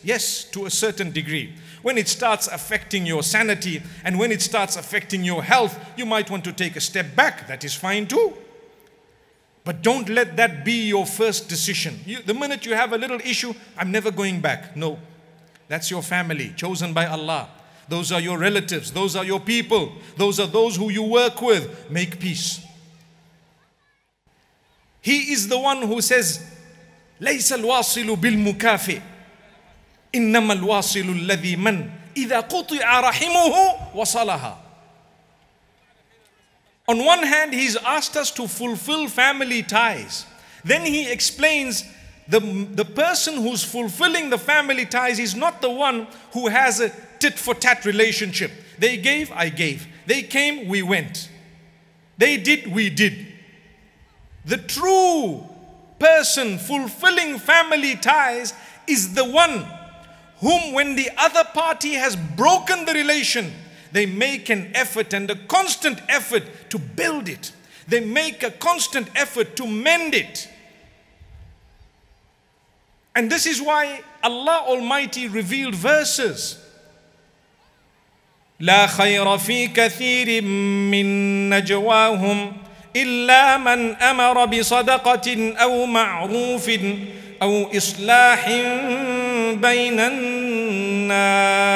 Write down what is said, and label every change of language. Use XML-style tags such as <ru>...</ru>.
<en>Yes, to a certain degree. When it starts affecting your sanity and when it starts affecting your health, you might want to take a step back. That is fine too. But don't let that be your first decision. The minute you have a little issue, I'm never going back. No, that's your family chosen by Allah. Those are your relatives. Those are your people. Those are those who you work with. Make peace. He is the one who says,</en> <ar>لَيْسَ الْوَاصِلُ بِالْمُكَافِ إِنَّمَا الْوَاصِلُ الَّذِي مَنْ إِذَا قُطِعَ رَحِمُهُ وَصَلَهَا.</ar> <en>On one hand, he's asked us to fulfill family ties. Then he explains, the person who's fulfilling the family ties is not the one who has a tit-for-tat relationship. They gave, I gave. They came, we went. They did, we did. The true person fulfilling family ties is the one whom, when the other party has broken the relation, they make an effort and a constant effort to build it. They make a constant effort to mend it. And this is why Allah Almighty revealed verses.</en> <ar>لا خير في كثير من نجواهم إلا من أمر بصدقة أو معروف أو إصلاح بين الناس.</ar>